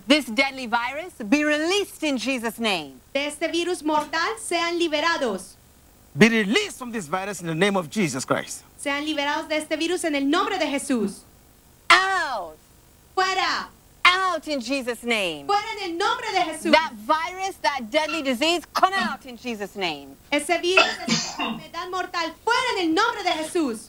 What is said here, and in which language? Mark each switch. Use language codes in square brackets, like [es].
[en] This deadly virus, be released in Jesus' name. [es] De este virus mortal, sean liberados. [en] Be released from this virus in the name of Jesus Christ. [es] Sean liberados de este virus en el nombre de Jesús. [en] Out. [es] Fuera. [en] Out in Jesus' name. [es] Fuera en el nombre de Jesús. [en] That virus, that deadly disease, come out in Jesus' name. [es] Ese virus, esa enfermedad mortal, fuera en el nombre de Jesús.